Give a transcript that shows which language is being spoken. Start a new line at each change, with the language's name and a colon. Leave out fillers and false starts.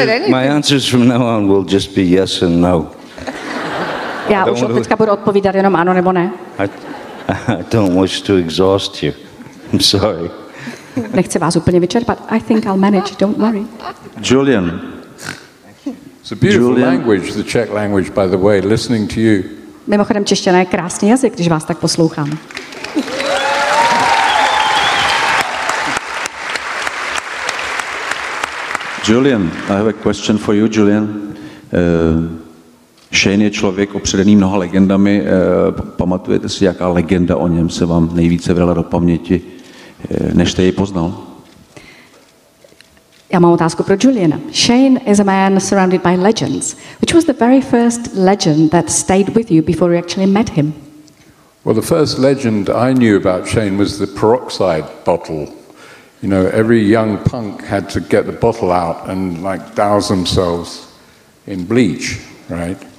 English: My answers from now on will just be yes and no.
Czech: Já už od teďka budu odpovídat jenom ano nebo ne.
English: I don't wish to exhaust you. I'm sorry.
Czech: Nechci vás úplně vyčerpat.
English: I think I'll manage. Don't worry. Julian. It's a beautiful language, the Czech language, by the way, listening to you.
Czech: Mimochodem, čeština je krásný jazyk, když vás tak poslouchám.
English: Julian, I have a question for you, Julian.
Czech: Shane je člověk opředený mnoha legendami. Pamatujete si, jaká legenda o něm se vám nejvíce vrala do paměti, než jste jej poznal? Já mám otázku pro Juliana.
English: Shane is a man surrounded by legends. Which was the very first legend that stayed with you before you actually met him? Well, the first legend I knew about Shane was the peroxide bottle. You know, every young punk had to get the bottle out and like douse themselves in bleach, right?